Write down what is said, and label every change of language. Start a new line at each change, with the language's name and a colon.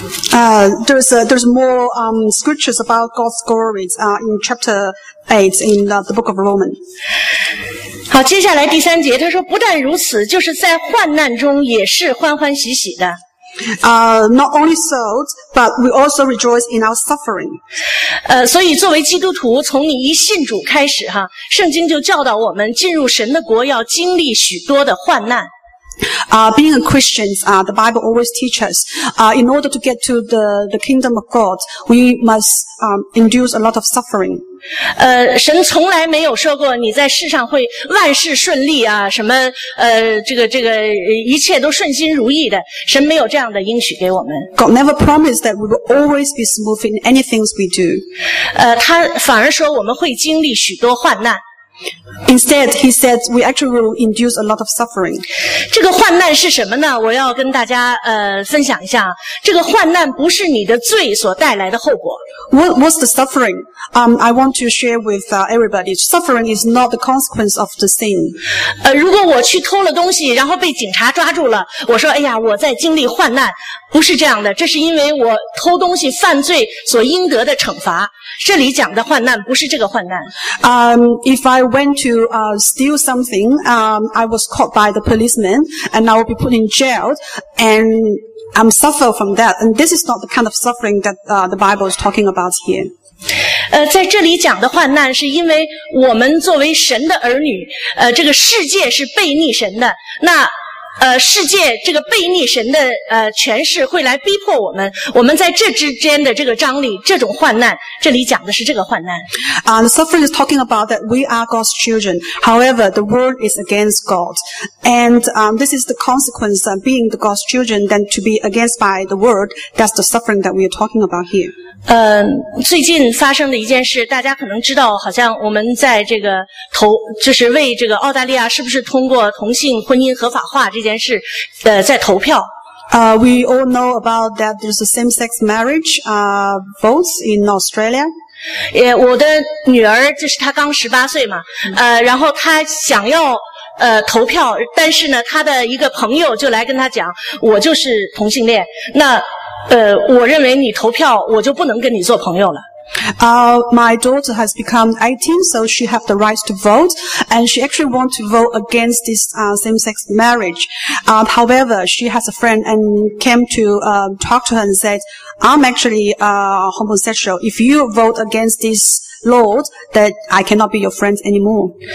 English: There's more scriptures about God's glory in chapter 8 in the book of Romans.
Chinese: 好，接下来第三节，他说不但如此，就是在患难中也是欢欢喜喜的。
English: Not only so, but we also rejoice in our suffering.
Chinese: 所以作为基督徒，从你一信主开始哈，圣经就教导我们进入神的国要经历许多的患难。
English: Being a Christian, the Bible always teaches, in order to get to the kingdom of God, we must, endure a lot of suffering.
Chinese: 神从来没有说过你在世上会万事顺利啊，什么，这个一切都顺心如意的。神没有这样的应许给我们。
English: God never promised that we will always be smooth in anything we do.
Chinese: 他反而说我们会经历许多患难。
English: Instead, he said, we actually will induce a lot of suffering.
Chinese: 这个患难是什么呢？我要跟大家分享一下。这个患难不是你的罪所带来的后果。
English: What's the suffering? I want to share with everybody. Suffering is not the consequence of the sin.
Chinese: 如果我去偷了东西，然后被警察抓住了，我说，哎呀，我在经历患难。不是这样的，这是因为我偷东西犯罪所应得的惩罚。这里讲的患难不是这个患难。
English: If I went to steal something, I was caught by the policeman, and I will be put in jail, and I'm suffer from that. And this is not the kind of suffering that the Bible is talking about here.
Chinese: 在这里讲的患难是因为我们作为神的儿女，这个世界是悖逆神的，那世界这个悖逆神的权势会来逼迫我们，我们在这之间的这个张力，这种患难，这里讲的是这个患难。
English: The suffering is talking about that we are God's children. However, the world is against God. And this is the consequence of being the God's children than to be against by the world. That's the suffering that we are talking about here.
Chinese: 最近发生的一件事大家可能知道，好像我们在这个投就是为这个澳大利亚是不是通过同性婚姻合法化这件事在投票。
English: We all know about that there's a same-sex marriage, votes in Australia.
Chinese: 我的女儿就是她刚18岁嘛，然后她想要投票，但是呢她的一个朋友就来跟她讲，我就是同性恋，那我认为你投票我就不能跟你做朋友了。
English: My daughter has become 18, so she have the right to vote, and she actually want to vote against this same-sex marriage. However, she has a friend and came to talk to her and said, I'm actually homosexual. If you vote against this law, that I cannot be your friend anymore.